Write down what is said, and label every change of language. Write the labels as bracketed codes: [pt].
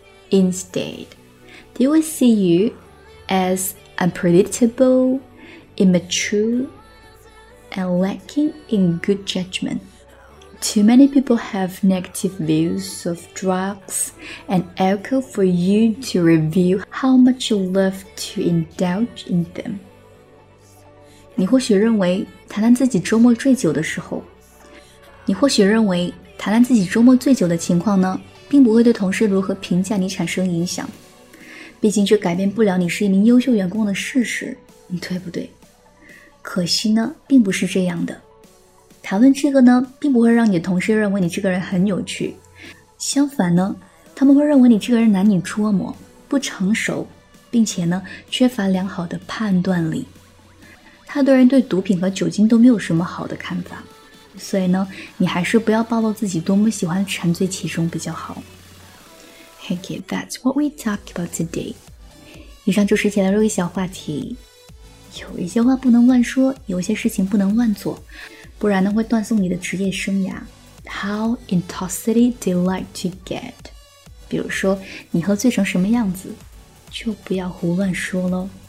[en] Instead, they will see you as unpredictable, immature,and lacking in good judgment. Too many people have negative views of drugs and alcohol for you to review how much you love to indulge in them. [zh] 你或许认为谈谈自己周末醉酒的时候，你或许认为谈谈自己周末醉酒的情况呢，并不会对同事如何评价你产生影响。毕竟这改变不了你是一名优秀员工的事实，对不对？可惜呢，并不是这样的。谈论这个呢，并不会让你同事认为你这个人很有趣。相反呢，他们会认为你这个人难以捉摸，不成熟，并且呢，缺乏良好的判断力。太多人对毒品和酒精都没有什么好的看法，所以呢，你还是不要暴露自己多么喜欢沉醉其中比较好。 [en] Thank you, that's what we talked about today. [zh] 以上就是今天的一个小话题。有一些话不能乱说，有些事情不能乱做，不然呢会断送你的职业生涯。 [en] How intoxicated do you like to get? [zh] 比如说你喝醉成什么样子，就不要胡乱说咯。